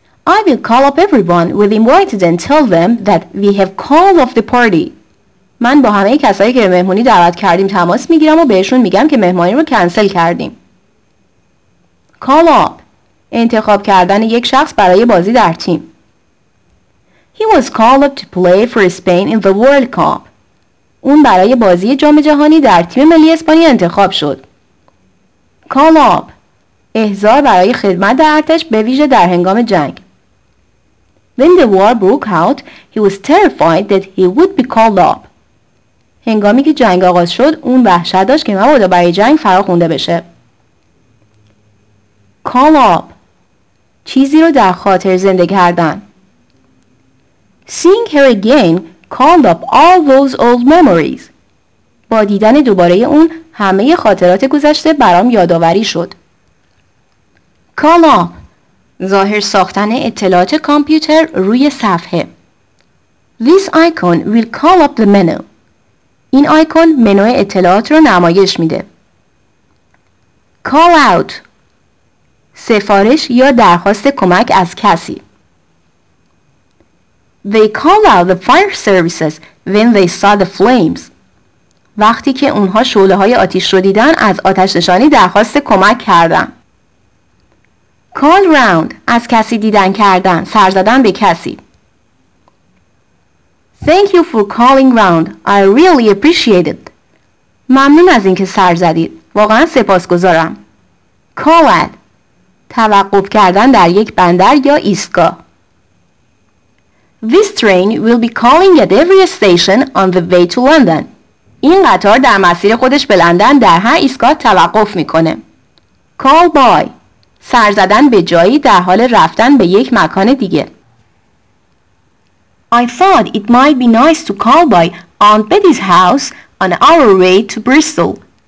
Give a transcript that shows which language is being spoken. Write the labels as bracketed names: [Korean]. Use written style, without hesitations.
[English] I will call up everyone with invited and tell them that we have called off the party. [Persian] من با همه کسایی که مهمونی دعوت کردیم تماس میگیرم و بهشون میگم که مهمونی رو کنسل کردیم. [English] Call up [Persian] انتخاب کردن یک شخص برای بازی در تیم. [English] He was called up to play for Spain in the World Cup. [Persian] اون برای بازی جام جهانی در تیم ملی اسپانیا انتخاب شد. [English] Call up [Persian] احضار برای خدمت در ارتش به ویژه در هنگام جنگ. [English] When the war broke out, he was terrified that he would be called up. [Persian] هنگامی که جنگ آغاز شد، اون وحشت داشت که مبادا برای جنگ فراخونده بشه. [English] Call up [Persian] چیزی رو در خاطر زنده کردن. [English] Seeing her again called up all those old memories. [Persian] با دیدن دوباره اون همه خاطرات گذشته برام یادآوری شد. [English] Call up [Persian] ظاهر ساختن اطلاعات کامپیوتر روی صفحه. [English] This icon will call up the menu. [Persian] این آیکون منو اطلاعات رو نمایش میده. [English] Call out [Persian] سفارش یا درخواست کمک از کسی. [English] They call out the fire services when they saw the flames. [Persian] وقتی که اونها شعله های آتیش رو دیدن از آتش نشانی درخواست کمک کردن. [English] Call round [Persian] از کسی دیدن کردن، سر زدن به کسی. [English] Thank you for calling round. I really appreciate it. [Persian] ممنون از اینکه سر زدید. واقعا سپاسگزارم. [English] Call at [Persian] توقف کردن در یک بندر یا ایستگاه. [English] This train will be calling at every station on the way to London. [Persian] این قطار در مسیر خودش به لندن در هر ایستگاه توقف میکنه. [English] Call by [Persian] سر زدن به جایی در حال رفتن به یک مکان دیگه. [English] I thought it might be nice to call by Aunt Betty's house on our way to Bristol.